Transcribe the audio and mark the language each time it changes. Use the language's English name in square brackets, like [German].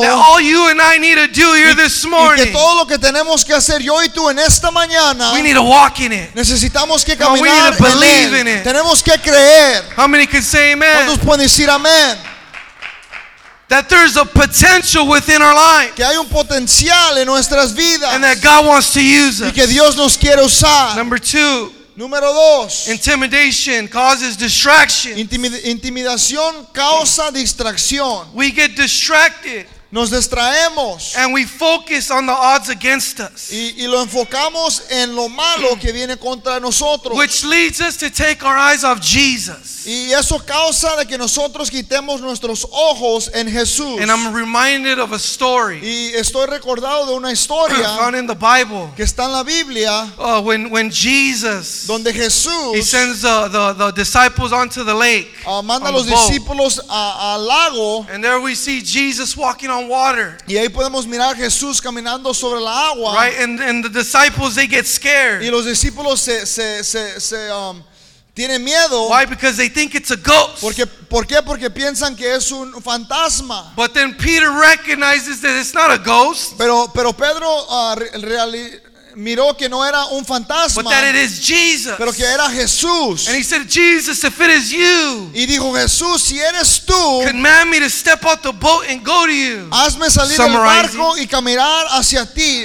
[English] That all you and I need to do here this morning. [Spanish] Y que todo lo que tenemos que hacer yo y tú en esta mañana. [English] We need to walk in it. [Spanish] Necesitamos que caminar en él. [English] We need to believe in it. [Spanish] Tenemos que creer. [English] How many can say amen? [Spanish] ¿Cuántos pueden decir amén? [English] That there's a potential within our life. [Spanish] Que hay un potencial en nuestras vidas. [English] And that God wants to use us. [Spanish] Y que Dios nos quiere usar. [English] Number two. [Spanish] Número dos. [English] Intimidation causes distraction. [Spanish] Intimidación causa distracción. [English] We get distracted. [Spanish] Nos distraemos. [English] And we focus on the odds against us. [Spanish] Y lo enfocamos en lo malo que viene contra nosotros. [English] Which leads us to take our eyes off Jesus. [Spanish] Y eso causa de que nosotros quitemos nuestros ojos en Jesús. [English] And I'm reminded of a story. [Spanish] Y estoy recordado de una historia [English] found in the Bible. [Spanish] Que está en la Biblia. [English] When Jesus, [Spanish] donde Jesús, [English] he sends the disciples onto the lake. [Spanish] Manda los discípulos al lago. [English] And there we see Jesus walking on water. [Spanish] Y ahí podemos mirar a Jesús caminando sobre el agua. [English] Right, and the disciples, they get scared. [Spanish] Y los discípulos se tienen miedo. [English] Why? Because they think it's a ghost. [Spanish] Porque piensan que es un fantasma. [English] But then Peter recognizes that it's not a ghost. [Spanish] Pero Pedro miró que no era un fantasma, [English] but that it is Jesus. [Spanish] Pero que era Jesús. [English] And he said, Jesus, if it is you, [Spanish] y dijo, Jesús, si eres tú, [English] command me to step out the boat and go to you. [Spanish] Hazme salir del barco y caminar hacia ti.